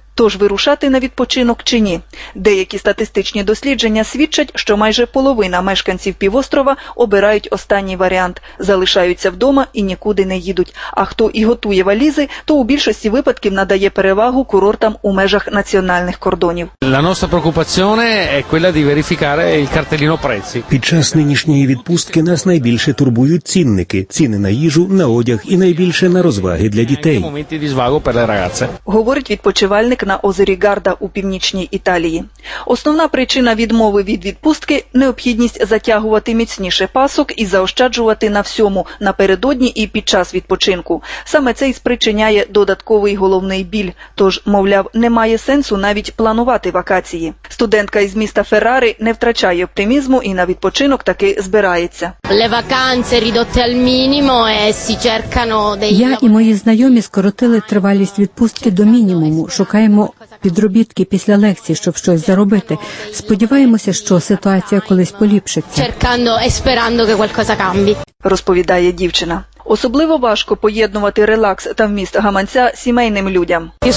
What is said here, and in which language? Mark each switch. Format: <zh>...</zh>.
<uk>Тож вирушати на відпочинок чи ні? Деякі статистичні дослідження свідчать, що майже половина мешканців півострова обирають останній варіант – залишаються вдома і нікуди не їдуть. А хто і готує валізи, то у більшості випадків надає перевагу курортам у межах національних кордонів.</uk> <it>La nostra preoccupazione è quella di verificare il cartellino prezzi.</it> <uk>Під час нинішньої відпустки нас найбільше турбують цінники, ціни на їжу, на одяг і найбільше на розваги для дітей.</uk> <it>Моменти di svago per le ragazze.</it> <uk>Говорить відпочивальник на озері Гарда у північній Італії. Основна причина відмови від відпустки – необхідність затягувати міцніше пасок і заощаджувати на всьому – напередодні і під час відпочинку. Саме це і спричиняє додатковий головний біль. Тож, мовляв, немає сенсу навіть планувати вакації. Студентка із міста Феррари не втрачає оптимізму і на відпочинок таки збирається.</uk> <it>Le vacanze ridotte al minimo e si cercano dei...</it> <uk>Я і мої знайомі скоротили тривалість відпустки до мінімуму, шукаємо підробітки після лекції, щоб щось заробити. Сподіваємося, що ситуація колись поліпшиться.</uk> <it>Cercando e sperando che qualcosa cambi.</it> <uk>Розповідає дівчина. Особливо важко поєднувати релакс та вміст гаманця сімейним людям.</uk>